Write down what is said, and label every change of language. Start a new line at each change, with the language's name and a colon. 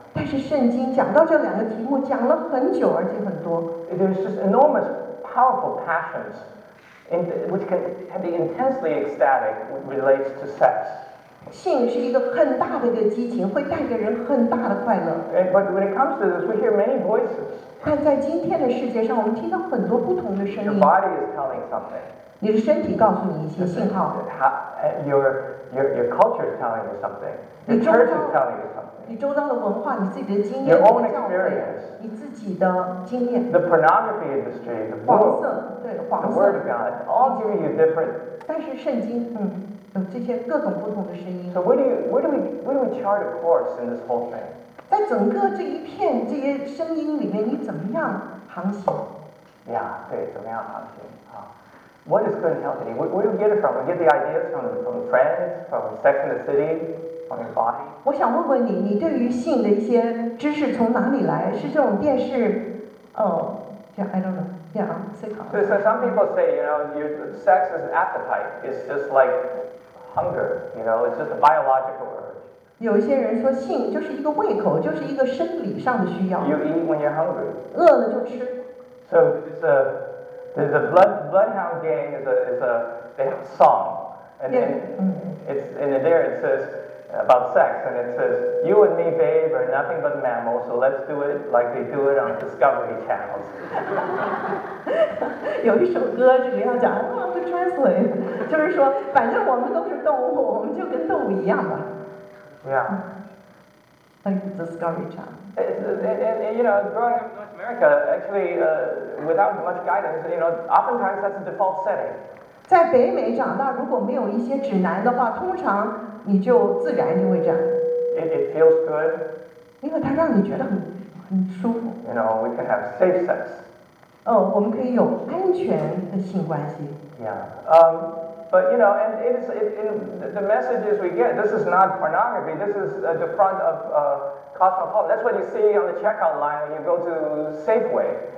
Chinese: 但是圣经讲到这两个题目讲了很久，而且很多。
English: There's just enormous, powerful passions. Which can be intensely ecstatic relates to sex.
Chinese: 性是一个很大的一个激情，会带给人很大的快乐。
English: But when it comes to this, we hear many voices.
Chinese: 但在今天的世界上，我们听到很多不同的声音。
English: Your body is telling something.
Chinese: 你的身体告诉你一些信号。
English: Your culture is telling you something. Your church is telling you something.
Chinese: 你周遭的文化，你自己的经验。
English: Your own experience.
Chinese: 你自己的经验。
English: The pornography industry, the book,
Chinese: 黄色对黄色
English: the word of God, all give you different.
Chinese: 但是圣经，有这些各种不同的声音。
English: So where do we chart a course in this whole thing?
Chinese: 在整个这一片这些声音里面，你怎么样航行？Yeah, 对，怎么样航行啊 ？
English: What is good company? Where do we get it from? We get the ideas from friends, from Sex and the City.
Chinese: 我想问问你，你对于性的一些知识从哪里来？是这种电视？
English: 哦、，Yeah, I don't know. Yeah, I'm sick. So some people say, you know, your sex is an appetite. It's just like hunger. You know, it's just a biological urge.
Chinese: 有一些人说性就是一个胃口，就是一个生理上的需要。
English: You eat when you're hungry.
Chinese: 饿了就吃。
English: So there's a bloodhound gang is a they have a song. And then it's in there it says about sex, and it says, "You and me, babe, are nothing but mammals, so let's do it like they do it on Discovery Channels."
Chinese: 有一首歌这里要讲，会translate，就是说，反正我们都是动物，我们就跟动物一样嘛。Yeah.
English: Like Discovery Channel. And you know, growing up in North America, actually, without much guidance, you know, oftentimes that's the default setting.
Chinese: 在北美长大，如果没有一些指南的话，通常你就自然就会这样。
English: It feels good.
Chinese: 因为它让你觉得很舒服。
English: You know, we can have safe sex.
Chinese: 我们可以有安全的性关系。
English: Yeah. But you know, and it's in the messages we get. This is not pornography. This is the front of Cosmopolitan. That's what you see on the checkout line when you go to Safeway.